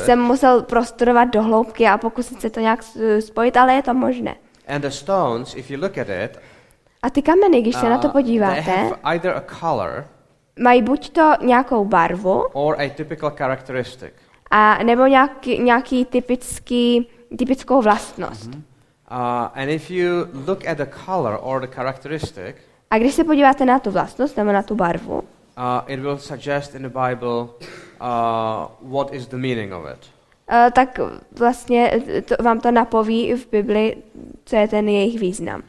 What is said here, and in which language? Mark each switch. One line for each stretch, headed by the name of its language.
Czech: Jsem musel prostudovat do hloubky a pokusit se to nějak spojit, ale je to možné.
English: And the stones, if you look at it,
Czech: a ty kameny, když se na to podíváte,
English: they have either a color,
Czech: mají buď to nějakou barvu,
English: or a typical characteristic.
Czech: A nebo nějaký typickou vlastnost.
English: And if you look at the color or the characteristic,
Czech: a když se podíváte na tu vlastnost, nebo na tu barvu,
English: it will suggest in the Bible what is the meaning of it.
Czech: Tak vlastně to vám to napoví v Bibli, co je ten jejich význam.